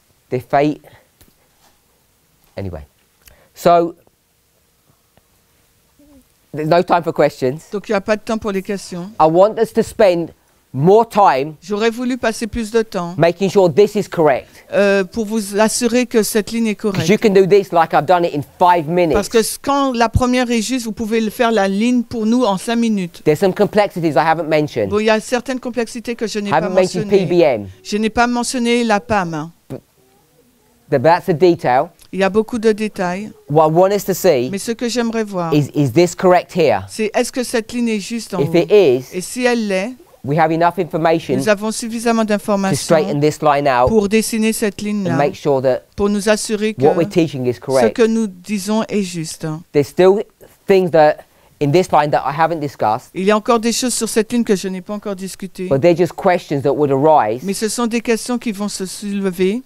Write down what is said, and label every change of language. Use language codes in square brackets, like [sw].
[en] they fate. Anyway, so there's no time for questions. [fr] Donc il n'y a pas de temps pour les questions. [en] I want us to spend more time. [fr] J'aurais voulu passer plus de temps. [en] Making sure this is correct. [fr] Pour vous assurer que cette ligne est correcte. [en] You can do this like I've done it in 5 minutes. [fr] Parce que quand la première est juste, vous pouvez faire la ligne pour nous en 5 minutes. [en] There's some complexities I haven't mentioned. [fr] Bon, il y a certaines complexités que je n'ai [en] haven't [fr] pas mentionnées. [en] Haven't mentioned PBM. [fr] Je n'ai pas mentionné la PAM. [en] But that's a detail. [fr] Il y a beaucoup de détails. [en] What I want us to see. [fr] Mais ce que j'aimerais voir. [en] Is this correct here? [fr] C'est est-ce que cette ligne est juste en [en] if [fr] haut? [en] If it is. [fr] Et si elle l'est. [en] We have enough information. [fr] Nous avons suffisamment d'informations [en] to straighten this line out [fr] pour dessiner cette ligne là, [en] and make sure that [fr] pour nous assurer que [en] what we're teaching is correct. [fr] Ce que nous disons est juste. [en] There's still things that in this line that I haven't discussed. [fr] Il y a encore des choses sur cette ligne que je n'ai pas encore discutées. [en] But they're just questions that would arise. [fr] Mais ce sont des questions qui vont se soulever.